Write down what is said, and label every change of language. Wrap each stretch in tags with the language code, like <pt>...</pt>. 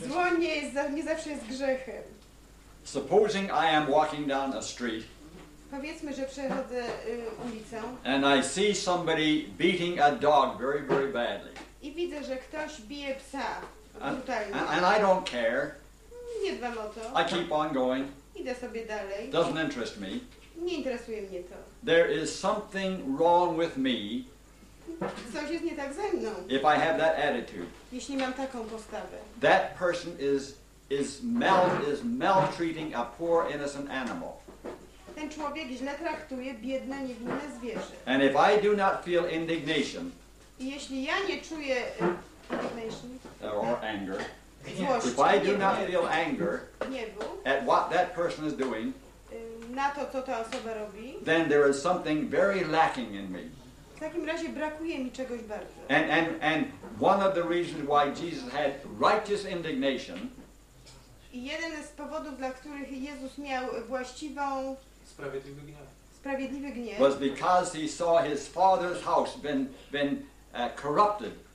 <pl>Zło nie zawsze jest grzechem.</pl> <en>Supposing I am walking down a street.</en> <pl>Powiedzmy, że przechodzę ulicą.</pl> <en>And I see somebody beating a dog very, very badly.</en> <pl>I widzę, że ktoś bije psa brutalnie.</pl> <en>And I don't care.</en> <pl>Nie dbam o to.</pl> <en>I keep on going.</en> <pl>Idę sobie dalej.</pl> <en>Doesn't interest me.</en> <pl>Nie interesuje mnie to.</pl> <en>There is something wrong with me.</en> <pl>Coś jest nie tak ze mną.</pl> <en>If I have that attitude.</en> <pl>Jeśli mam taką postawę.</pl> <en>That person is maltreating a poor innocent animal.</en> <pl>Ten człowiek źle traktuje biedne niewinne zwierzę.</pl> <en>And if I do not feel indignation.</en> <pl>Jeśli ja nie czuję indignation.</pl> <en>Or anger.</en> <pl>Złość,</pl> <en>if I do not feel anger.</en> <pl>Gniewu.</pl> <en>At what that person is doing.</en> <pl>Na to, co ta osoba robi.</pl> <en>Then there is something very lacking in me.</en> <pl>W takim razie brakuje mi czegoś bardzo.</pl> <en>And one of the reasons why Jesus had righteous indignation.</en> <pl>I jeden z powodów, dla których Jezus miał właściwą sprawiedliwy gniew.</pl> <en>Was because he saw his father's house been corrupted.</en>